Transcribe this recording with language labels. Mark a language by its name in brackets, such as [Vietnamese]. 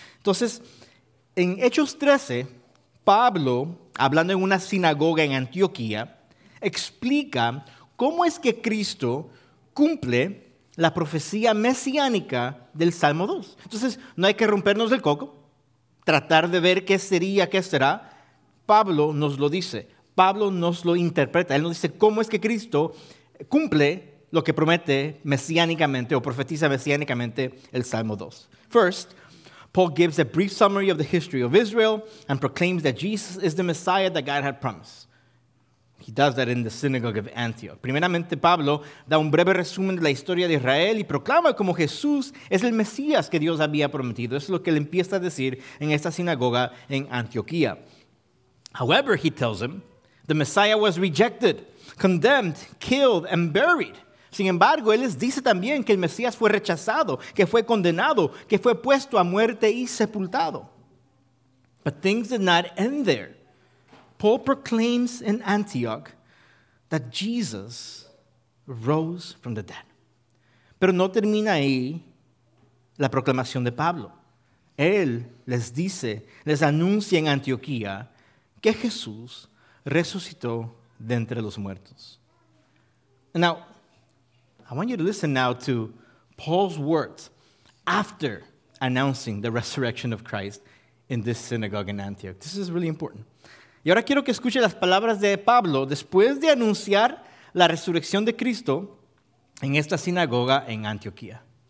[Spanish] Entonces, en Hechos 13, Pablo, hablando en una sinagoga en Antioquía, explica cómo es que Cristo cumple la profecía mesiánica del Salmo 2. Entonces, no hay que rompernos el coco, tratar de ver qué sería, qué será. Pablo nos lo dice, Pablo nos lo interpreta. Él nos dice cómo es que Cristo cumple lo que promete mesiánicamente o profetiza mesiánicamente el Salmo 2. [English] First, Paul gives a brief summary of the history of Israel and proclaims that Jesus is the Messiah that God had promised. He does that in the synagogue of Antioch. [Spanish] Primeramente, Pablo da un breve resumen de la historia de Israel y proclama como Jesús es el Mesías que Dios había prometido. Eso es lo que él empieza a decir en esta sinagoga en Antioquía. [English] However, he tells him, the Messiah was rejected, condemned, killed, and buried. [Spanish] Sin embargo, él les dice también que el Mesías fue rechazado, que fue condenado, que fue puesto a muerte y sepultado. [English] But things did not end there. Paul proclaims in Antioch that Jesus rose from the dead. [Spanish] Pero no termina ahí la proclamación de Pablo. Él les dice, les anuncia en Antioquía que Jesús resucitó de entre los muertos. [English] Now, I want you to listen now to Paul's words after announcing the resurrection of Christ in this synagogue in Antioch. This is really important. [Spanish] Y ahora quiero que escuche las palabras de Pablo después de anunciar la resurrección de Cristo en esta sinagoga en Antioquía.